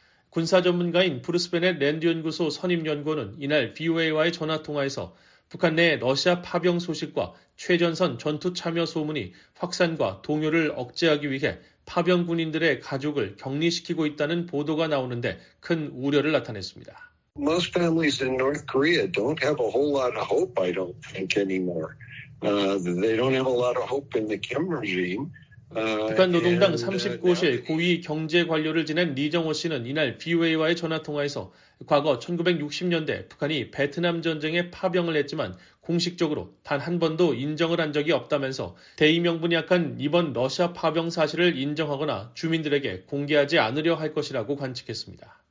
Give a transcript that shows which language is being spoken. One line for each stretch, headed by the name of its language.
Korean: 군사 전문가인 브루스벤의 랜드 연구소 선임 연구원은 이날 VOA와의 전화 통화에서 북한 내 러시아 파병 소식과 최전선 전투 참여 소문이 확산과 동요를 억제하기 위해 파병 군인들의 가족을 격리시키고 있다는 보도가 나오는데 큰 우려를 나타냈습니다.
English: Most families in North Korea don't have a whole lot of hope, I don't think, anymore. They don't have a lot of hope in the Kim regime.
Korean: 북한 노동당 39실 고위 경제관료를 지낸 리정호 씨는 이날 VOA와의 전화통화에서 과거 1960년대 북한이 베트남 전쟁에 파병을 했지만 공식적으로 단 한 번도 인정을 한 적이 없다면서 대의 명분이 약한 이번 러시아 파병 사실을 인정하거나 주민들에게 공개하지 않으려 할 것이라고 관측했습니다.